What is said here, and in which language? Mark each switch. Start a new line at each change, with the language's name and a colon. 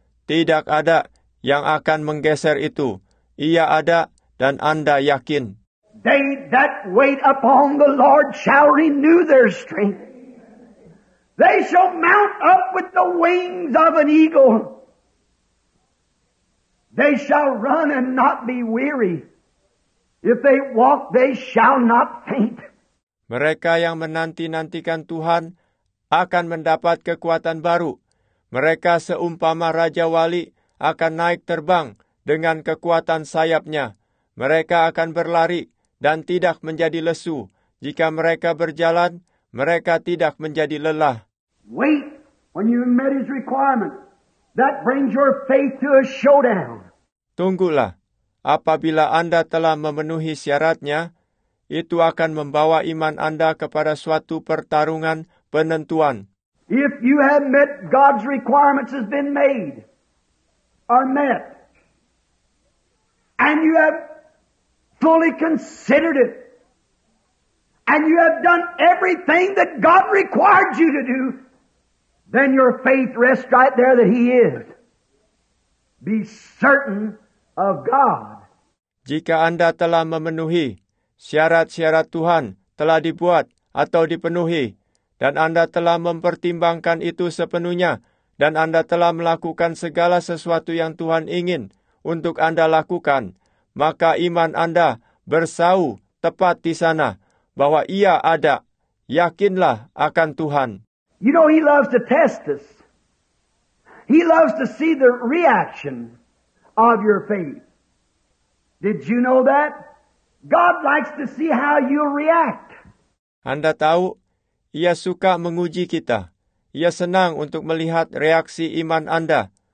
Indonesian: Tidak ada yang akan menggeser itu. Ia ada dan Anda yakin.
English: They that wait upon the Lord shall renew their strength. They shall mount up with the wings of an eagle. They shall run and not be weary. If they walk, they shall not faint.
Indonesian: Mereka yang menanti-nantikan Tuhan akan mendapat kekuatan baru. Mereka seumpama Raja Wali akan naik terbang dengan kekuatan sayapnya. Mereka akan berlari dan tidak menjadi lesu. Jika mereka berjalan, mereka tidak menjadi lelah.
English: Wait when you met his requirement. That brings your faith to a showdown.
Indonesian: Tunggulah. Apabila Anda telah memenuhi syaratnya, itu akan membawa iman Anda kepada suatu pertarungan penentuan.
English: If you have met God's requirements has been made, are met, and you have fully considered it, and you have done everything that God required you to do, then your faith rests right there that He is. Be certain of God.
Indonesian: Jika Anda telah memenuhi syarat-syarat Tuhan telah dibuat atau dipenuhi, dan Anda telah mempertimbangkan itu sepenuhnya, dan Anda telah melakukan segala sesuatu yang Tuhan ingin untuk Anda lakukan, maka iman Anda bersau tepat di sana, bahwa Ia ada. Yakinlah akan Tuhan.
English: You know, He loves to test us. He loves to see the reaction of your faith. Did you know that? God likes to see how you react.
Indonesian: Anda tahu, Ia suka menguji kita. Ia senang untuk melihat reaksi iman Anda.